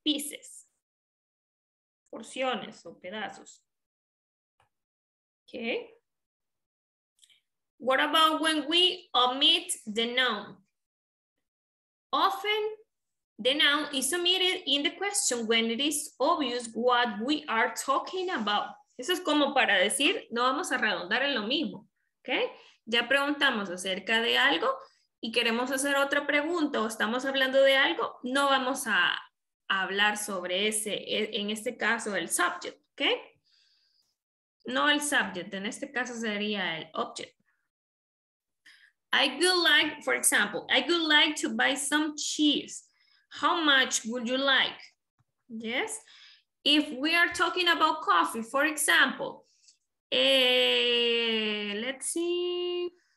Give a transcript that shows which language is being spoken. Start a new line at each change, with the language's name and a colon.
Spanish: Pieces. Porciones o pedazos. Okay.
English: What about when we omit the noun? Often the noun is omitted in the question when it is obvious what we are talking about.
Spanish: Eso es como para decir, no vamos a redundar en lo mismo, ¿ok? Ya preguntamos acerca de algo y queremos hacer otra pregunta o estamos hablando de algo, no vamos a hablar sobre ese, en este caso, el subject, ¿ok? No el subject, en este caso sería el object.
English: I would like, for example, I would like to buy some cheese. How much would you like? Yes. If we are talking about coffee, for example, let's see.